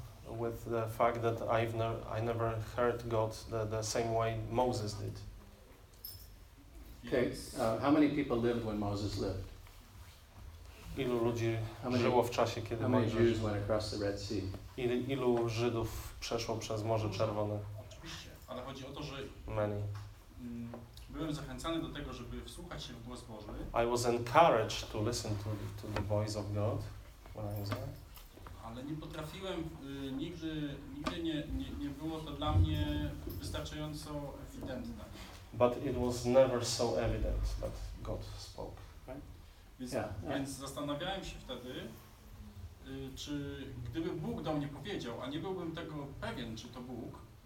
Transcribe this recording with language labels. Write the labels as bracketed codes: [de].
[en] With the fact that I never heard God the same way Moses did. Okay. How many people lived when Moses lived? [pl] Ilu ludzi żyło w czasie, kiedy Mojżesz? [en] How many Jews went across the Red Sea? [pl] Ilu Żydów przeszło przez Morze Czerwone? Oczywiście, ale chodzi o to, że [en] many. [pl] Byłem zachęcany do tego, żeby wsłuchać się w głos Boży. [en] I was encouraged to listen to the voice of God when I was there. [pl] Ale nie potrafiłem, nigdy nie było to dla mnie wystarczająco ewidentne. [en] But it was never so evident that God spoke. Right? [pl] Więc zastanawiałem się wtedy, czy gdyby Bóg do mnie powiedział, a nie byłbym tego pewien, czy to Bóg.